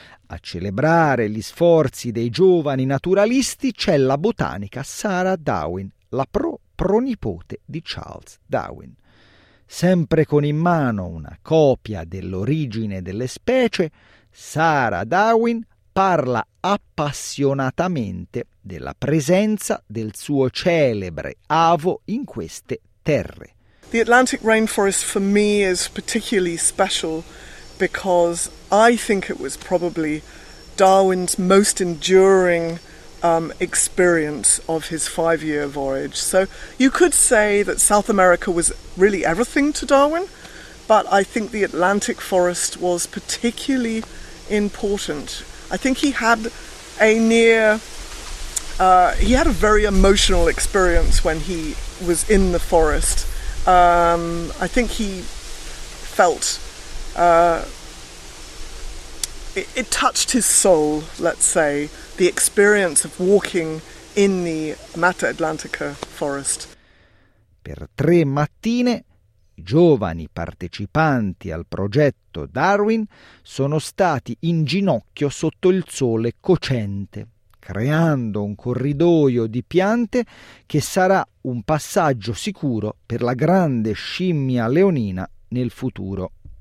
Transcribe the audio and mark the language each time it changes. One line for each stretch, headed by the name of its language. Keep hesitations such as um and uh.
Italian: A celebrare gli sforzi dei giovani naturalisti c'è la botanica Sarah Darwin, la pro pronipote di Charles Darwin. Sempre con in mano una copia dell'origine delle specie, Sara Darwin parla appassionatamente della presenza del suo celebre avo in queste terre.
English: The Atlantic rainforest for me is particularly special because I think it was probably Darwin's most enduring Um, experience of his five year voyage. So you could say that South America was really everything to Darwin, but I think the Atlantic forest was particularly important. I think he had a near, uh, he had a very emotional experience when he was in the forest. Um, I think he felt uh, it, it touched his soul, let's say. the experience of walking in the Mata Atlantica forest.
Italian: Per tre mattine i giovani partecipanti al progetto Darwin sono stati in ginocchio sotto il sole cocente, creando un corridoio di piante che sarà un passaggio sicuro per la grande scimmia leonina nel futuro.